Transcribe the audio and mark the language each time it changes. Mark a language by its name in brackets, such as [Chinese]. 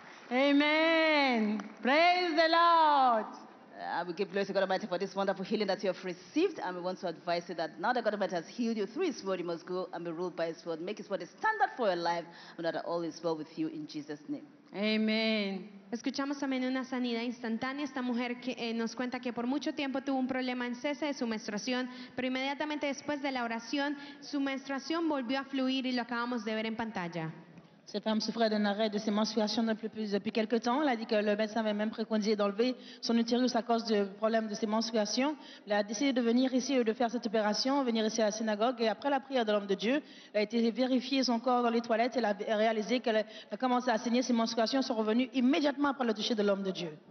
[English] Amen. Praise the Lord. I will give glory to God Almighty for this wonderful healing that you have received. And we want to advise you that now that God Almighty has healed you through his word, you must go and be ruled by his word. Make his word a standard for your life, and that all is well with you in Jesus' name. Amen. [Spanish] Escuchamos también una sanidad instantánea. Esta mujer que, nos cuenta que por mucho tiempo tuvo un problema en cese de su menstruación, pero inmediatamente después de la oración, su menstruación volvió a fluir y lo acabamos de ver en pantalla. [French] Cette femme souffrait d'un arrêt de ses menstruations depuis quelques temps. Elle a dit que le médecin avait même préconisé d'enlever son utérus à cause du problème de ses menstruations. Elle a décidé de venir ici et de faire cette opération, venir ici à la synagogue. Et après la prière de l'homme de Dieu, elle a été vérifier son corps dans les toilettes. Elle a réalisé qu'elle a commencé à saigner. Ses menstruations sont revenues immédiatement après le toucher de l'homme de Dieu.